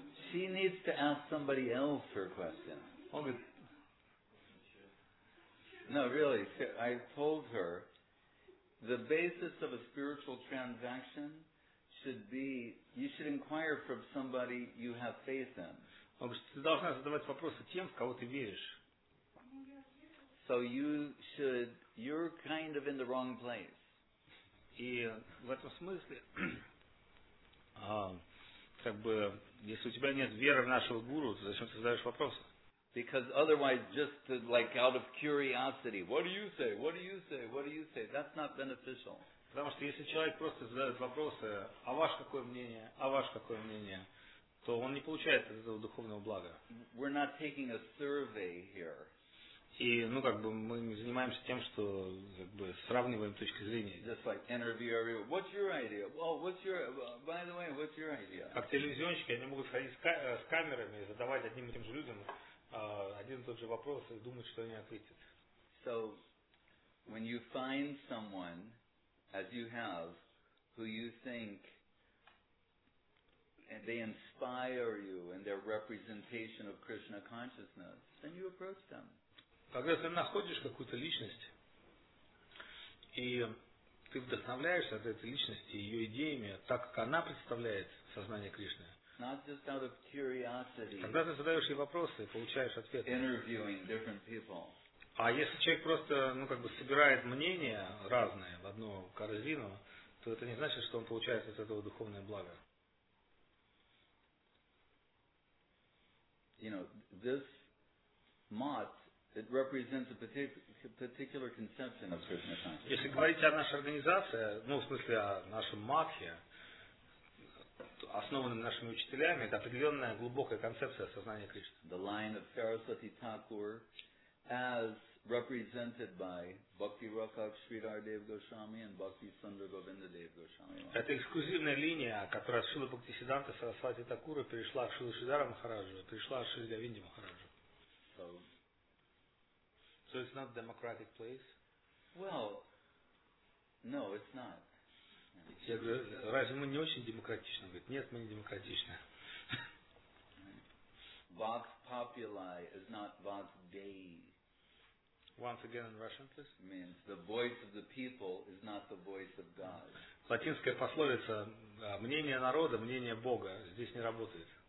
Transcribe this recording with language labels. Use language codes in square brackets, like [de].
[en] She needs to ask somebody else her question. Oh, good. No, really, I told her the basis of a spiritual transaction should be you should inquire from somebody you have faith in. [ru] Ты должна задавать вопросы тем, в кого ты веришь. [en] So you should, you're kind of in the wrong place. [ru] И в этом смысле, как бы, если у тебя нет веры в нашего гуру, то зачем ты задаешь вопросы? [en] Because otherwise, just to, like out of curiosity, what do you say? What do you say? What do you say? That's not beneficial. [ru] Потому что если человек просто задает вопросы, а ваше какое мнение? А ваше какое мнение? То он не получает этого духовного блага. [en] We're not taking a survey here. [ru] И, ну, как бы, мы не занимаемся тем, что, как бы, сравниваем точки зрения. [en] Just like interview everyone. What's your idea? Well, what's your, by the way, what's your idea? [ru] Как телевизионщики, они могут ходить с камерами и задавать одним и тем же людям один и тот же вопрос и думать, что они ответят. [en] So, when you find someone, as you have, who you think and they inspire you in their representation of Krishna consciousness, then you approach them. [ru] Когда ты находишь какую-то личность, и ты вдохновляешься от этой личности ее идеями, так как она представляет сознание Кришны, [en] not just out of curiosity, [ru] когда ты задаешь ей вопросы и получаешь ответы, [en] interviewing different people. [ru] А если человек просто, ну, как бы собирает мнения разные в одну корзину, то это не значит, что он получает от этого духовное благо. [en] You know, this mat, it represents a particular conception of Krishna consciousness. [ru] Если говорить о нашей организации, ну, в смысле, о нашем матхе, основанном нашими учителями, это определенная глубокая концепция сознания Кришны. [en] The line of Saraswati Thakur, as represented by Bhakti Rakak Sridhar Dev Goswami and Bhakti Sundar Govinda Dev Goswami. [ru] Это эксклюзивная линия, которая от Шрилы Бхактисиддханты Сарасвати Такура перешла к Шрилы Шридхара Махараджу, перешла к Шриле Авинде Махараджу. [en] So it's not a democratic place? Well, no, it's not. [ru] Я говорю, разве мы не очень демократичны? Он говорит, нет, мы не демократичны. [en] Vox populi is not Vox Dei. Once again in Russian, please. Means the voice of the people is not the voice of God. [ru] Латинская пословица «мнение народа, мнение Бога» здесь не работает.